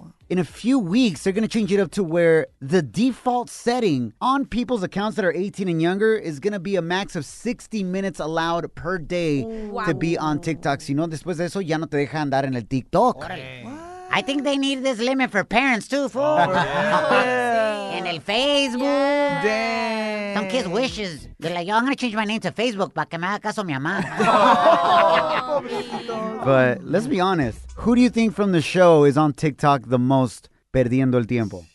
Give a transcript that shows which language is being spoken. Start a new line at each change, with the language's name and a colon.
English: in a few weeks, they're going to change it up to where the default setting on people's accounts that are 18 and younger is going to be a max of 60 minutes allowed per day to be on TikTok.
Spanish: Si no, después de eso, ya no te deja andar en el TikTok.
English: I think they need this limit for parents, too, fool. Oh, yeah. And el Facebook. Yeah. Damn. Some kids' wishes. They're like, yo, I'm going to change my name to Facebook
Spanish: para que me haga caso mi mamá.
English: But let's be honest. Who do you think from the show is on TikTok the most
Spanish: perdiendo el tiempo?